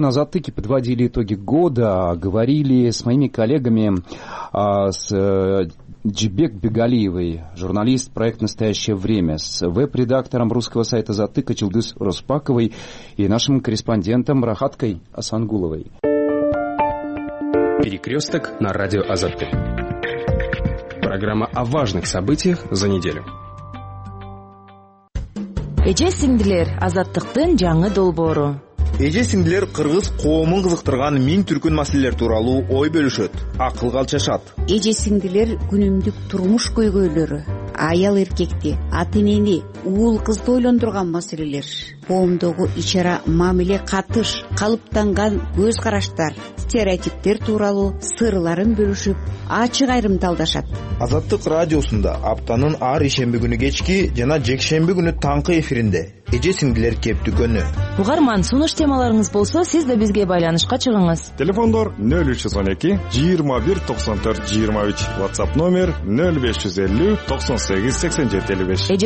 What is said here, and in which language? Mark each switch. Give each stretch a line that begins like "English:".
Russian: На затыке подводили итоги года, говорили с моими коллегами, с Джибек Бегалиевой, журналист проект «Настоящее время», с веб-редактором русского сайта «Затыка» Чилдыз Роспаковой и нашим корреспондентом Рахаткой Асангуловой. Перекресток на радио «Азатык». Программа о важных событиях за неделю.
Kyrgyz: Эже сиңдилер, азаттыктын жаңы долбоору. Эже сиңдилер кыргыз коомун кызыктырган миң түркүн маселелер тууралуу ой бөлүшөт, акыл калчашат. Эже сиңдилер күнүмдүк турмуш көйгөйлөрү, аял эркекти, ата энени, уул кызды ойлондурган маселелер, коомдогу иче ара мамиле катыш, калыптанган көз караштар, стереотиптер тууралуу сырларын бөлүшүп, ачык айрымталдашат. Азаттык радиосунда аптанын ар ишемби күнү кечки жана жекшемби күнү таңкы эфиринде эже сиңдилер кептүгөнү. Угарман, сунуш темаларыңыз болсо, сиз да бизге байланышка чыгыңыз. Телефондор 0312-21-94-23, WhatsApp номер 0550-98-87-55.